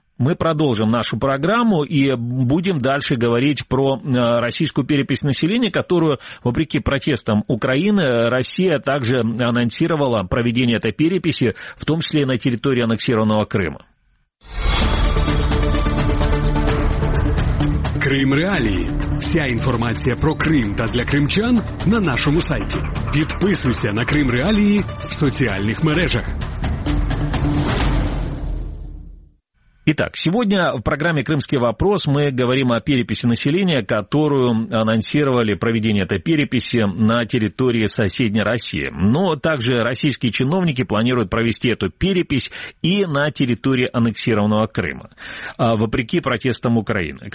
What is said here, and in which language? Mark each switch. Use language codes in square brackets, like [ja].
[ru] Мы продолжим нашу программу и будем дальше говорить про российскую перепись населения, которую, вопреки протестам Украины, Россия также анонсировала проведение этой переписи, в том числе и на территории аннексированного Крыма. [uk] Крим Реалії. Вся інформація про Крим та для кримчан на нашому сайті. Підписуйся на Крим Реалії в соціальних мережах. [ru] Итак, сегодня в программе «Крымский вопрос» мы говорим о переписи населения, которую анонсировали проведение этой переписи на территории соседней России. Но также российские чиновники планируют провести эту перепись и на территории аннексированного Крыма, вопреки протестам Украины.